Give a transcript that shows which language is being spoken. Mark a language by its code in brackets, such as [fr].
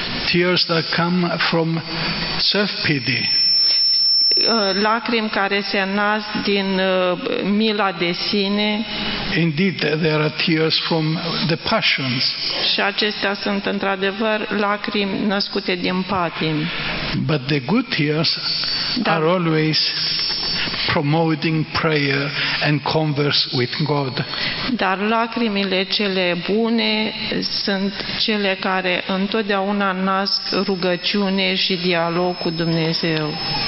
[en] Tears that come from self-pity. [ro] Lacrimi care se nasc din mila de sine. [en] Indeed, there are tears from the passions. [ro] Și acestea sunt într-adevăr lacrimi născute din patim. [en] But the good tears are always promoting prayer and converse with God. [ro] Dar lacrimile cele bune sunt cele care întotdeauna nasc rugăciune și dialog cu Dumnezeu.